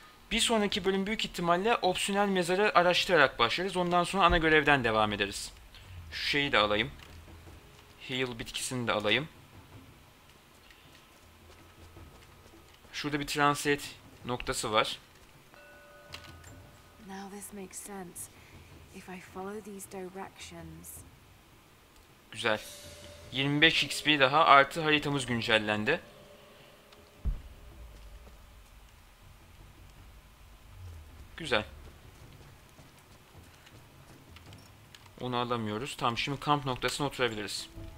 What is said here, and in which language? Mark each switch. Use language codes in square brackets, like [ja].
[tr] Bir sonraki bölüm büyük ihtimalle opsiyonel mezarı araştırarak başlarız. Ondan sonra ana görevden devam ederiz. Şu şeyi de alayım. Heal bitkisini de alayım. Şurada bir translate noktası var. [en] Now this makes sense. If I follow these directions. [tr] Güzel. 25 XP daha artı haritamız güncellendi. Güzel. Onu alamıyoruz. Tamam şimdi kamp noktasına oturabiliriz.